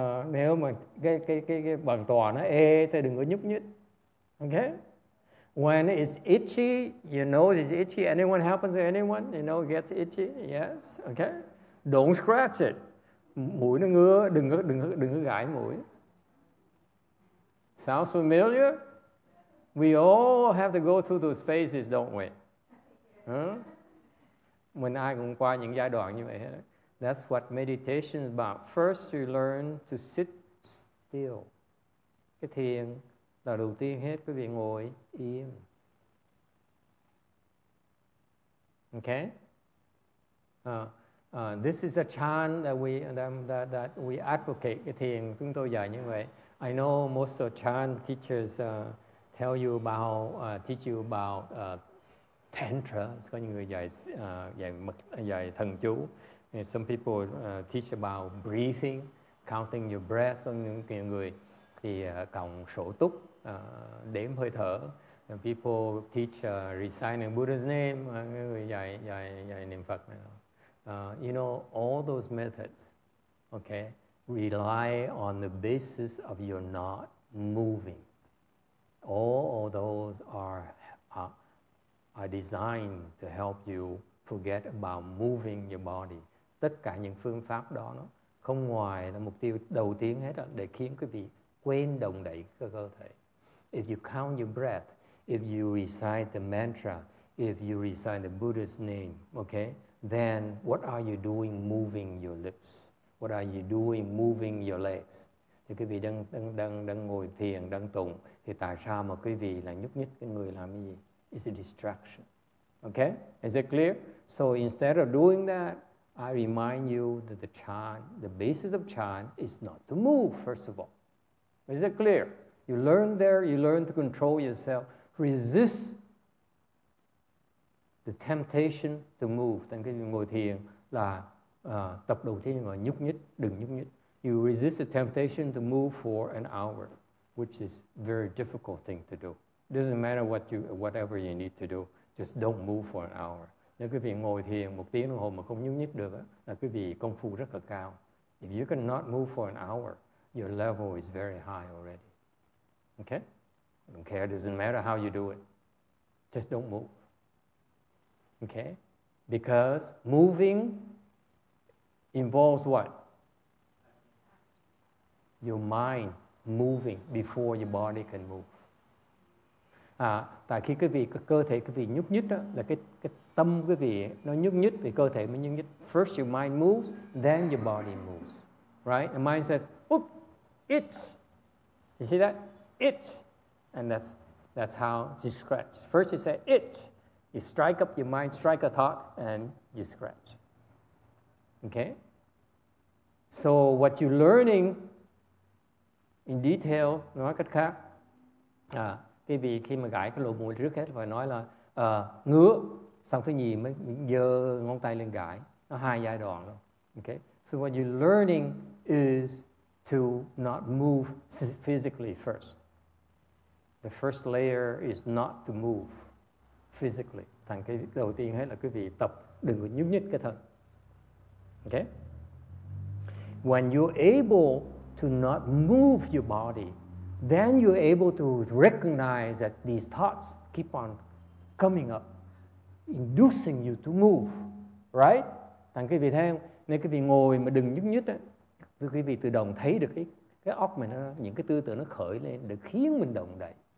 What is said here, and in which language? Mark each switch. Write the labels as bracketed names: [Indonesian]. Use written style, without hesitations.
[Vietnamese] Nếu mà cái bàn tòa nó ê, thì đừng có nhúc nhích. [English] Okay? When it's itchy, your nose is itchy. Anyone happens to anyone? You know, gets itchy? Yes? Okay? Don't scratch it. [Vietnamese] Mũi nó ngứa, đừng có gãi mũi. [English] Sounds familiar? We all have to go through those phases, don't we? [Vietnamese] Mình ai cũng qua những giai đoạn như vậy. [English] That's what meditation is about. First, you learn to sit still. [Vietnamese] Cái thiền là đầu tiên hết, quý vị ngồi im. [English] Okay? This is a chant that we advocate. [Vietnamese] Cái thiền chúng tôi dạy như vậy. [English] I know most of Chan teachers tell you about teach you about tantra. [Vietnamese] Có những người dạy thần chú. [English] And some people teach about breathing, counting your breath. [Vietnamese] Có những người thì cộng sổ túc, đếm hơi thở. [English] And people teach reciting Buddha's name. [Vietnamese] Người dạy niệm Phật. [English] You know all those methods. Okay. Rely on the basis of your not moving. All those are designed to help you forget about moving your body. [Vietnamese] Tất cả những phương pháp đó nó không ngoài là mục tiêu đầu tiên hết đó, để khiến quý vị quên động đậy cơ thể. [English] If you count your breath, if you recite the mantra, if you recite the Buddha's name, okay, then what are you doing moving your lips? What are you doing moving your legs? [Vietnamese] Thì quý vị đang ngồi thiền, đang tụng, thì tại sao mà quý vị lại nhúc nhích cái người làm cái gì? [English] It's a distraction. Okay? Is it clear? So instead of doing that, I remind you that the chant, the basis of chant is not to move, first of all. Is it clear? You learn there, you learn to control yourself. Resist the temptation to move. [Vietnamese] Thì quý vị ngồi thiền là tập đầu tiên là nhúc nhích, đừng nhúc nhích. [English] You resist the temptation to move for an hour, which is very difficult thing to do. It doesn't matter whatever you need to do, just don't move for an hour. [Vietnamese] Nếu quý vị ngồi thiền một tiếng đồng hồ mà không nhúc nhích được, là quý vị công phu rất là cao. [English] If you cannot move for an hour, your level is very high already. Okay? I don't care, it doesn't matter how you do it. Just don't move. Okay? Because moving involves what? Your mind moving before your body can move. [Vietnamese] Tại khi quý vị cơ thể quý vị nhúc nhích đó, là cái tâm quý vị nó nhúc nhích thì cơ thể mới nhúc nhích. [English] First your mind moves, then your body moves. Right? The mind says, "Oop, itch." You see that? Itch. And that's how you scratch. First you say itch. You strike up your mind, strike a thought, and you scratch. Okay? So what you're learning in detail, [Vietnamese] nói cách khác, quý vị khi mà gãi cái lỗ mũi trước hết phải nói là ngứa, xong thứ nhì mới giơ ngón tay lên gãi. Nó hai giai đoạn đó. [English] Okay? So what you're learning is to not move physically first. The first layer is not to move physically. [Vietnamese] Thành cái đầu tiên hết là quý vị tập đừng có nhúc nhích cái thân. [English] Okay? When you're able to not move your body, then you're able to recognize that these thoughts keep on coming up, inducing you to move. [Vietnamese] Right? Thành quý vị thấy không? Nếu quý vị ngồi mà đừng nhúc nhích á, quý vị tự động thấy được cái óc mình nó, những cái tư tưởng nó khởi lên để khiến mình động đậy.